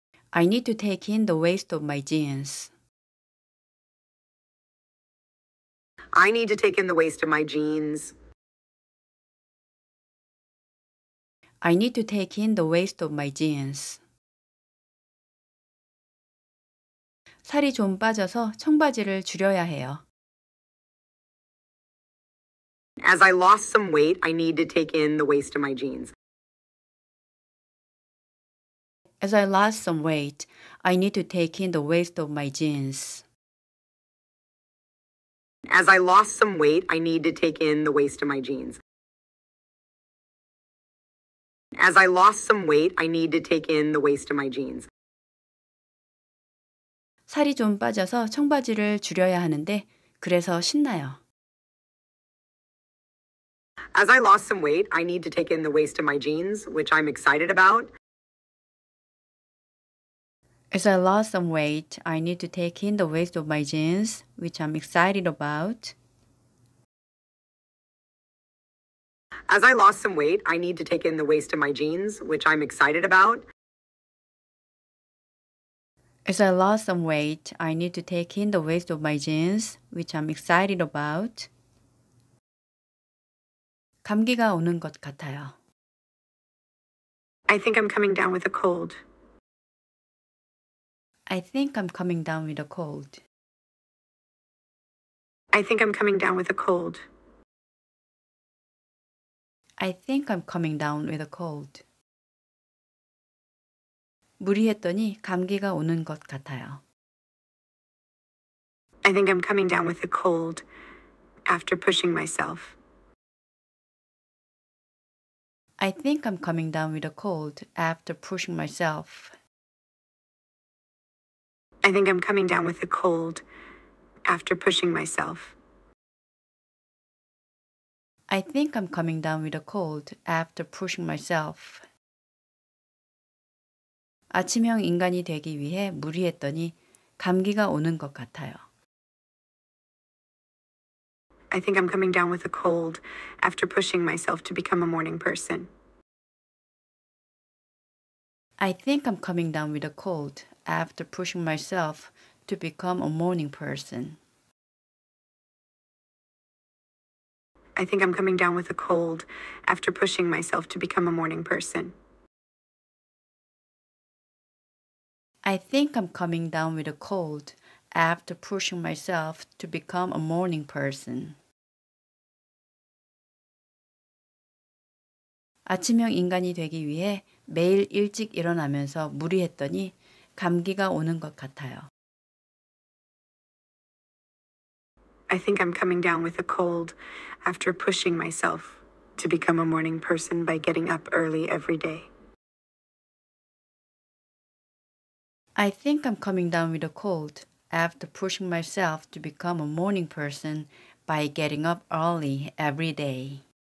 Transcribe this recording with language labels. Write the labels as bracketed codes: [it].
[en] I need to take in the waist of my jeans. I need to take in the waist of my jeans. I need to take in the waist of my jeans. [ko] 살이 좀 빠져서 청바지를 줄여야 해요. [en] As I lost some weight, I need to take in the waist of my jeans. As I lost some weight, I need to take in the waist of my jeans. As I lost some weight, I need to take in the waist of my jeans. As I lost some weight, I need to take in the waist of my jeans. [ko] 살이 좀 빠져서 청바지를 줄여야 하는데 그래서 신나요. [en] As I lost some weight, I need to take in the waist of my jeans, which I'm excited about. As I lost some weight, I need to take in the waist of my jeans, which I'm excited about. As I lost some weight, I need to take in the waist of my jeans, which I'm excited about. As I lost some weight, I need to take in the waist of my jeans, which I'm excited about. [ko] 감기가 오는 것 같아요. [en] I think I'm coming down with a cold. I think I'm coming down with a cold. I think I'm coming down with a cold. I think I'm coming down with a cold. [ko] 무리했더니 감기가 오는 것 같아요. [en] I think I'm coming down with a cold after pushing myself. I think I'm coming down with a cold after pushing myself. I think I'm coming down with a cold after pushing myself. I think I'm coming down with a cold after pushing myself. [ko] 아침형 인간이 되기 위해 무리했더니 감기가 오는 것 같아요. [en] I think I'm coming down with a cold after pushing myself to become a morning person. I think I'm coming down with a cold after pushing myself to become a morning person. I think I'm coming down with a cold after pushing myself to become a morning person. I think I'm coming down with a cold after pushing myself to become a morning person. [ko] 아침형 인간이 되기 위해 매일 일찍 일어나면서 무리했더니 감기가 오는 것 같아요. [en] I think I'm coming down with a cold after pushing myself to become a morning person by getting up early every day. I think I'm coming down with a cold after pushing myself to become a morning person by getting up early every day.